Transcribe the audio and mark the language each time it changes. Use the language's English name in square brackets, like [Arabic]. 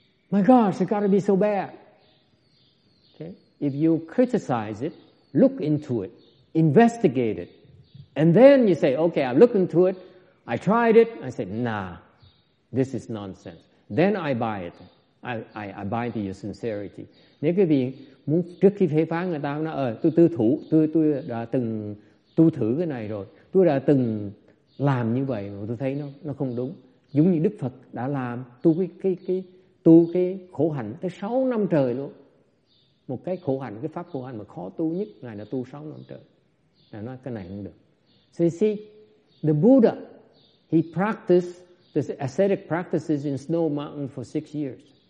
[English] My gosh, it's got to be so bad. Okay? If you criticize it, look into it, investigate it, and then you say, okay, I looked into it, I tried it, I said, nah, this is nonsense. Then I buy it. I buy into your sincerity. [Vietnamese] Nếu quý vị muốn trước khi phê phán người ta, nói, tôi đã từng tu thử cái này rồi, tôi đã từng làm như vậy mà tôi thấy nó không đúng. Giống như Đức Phật đã làm tu cái khổ hạnh tới 6 năm trời luôn. Một cái khổ hạnh, cái pháp khổ hạnh mà khó tu nhất, Ngài đã tu 6 năm trời. Ngài nói cái này không được. [English] So you see, the Buddha, he practiced the ascetic practices in Snow Mountain for 6 years.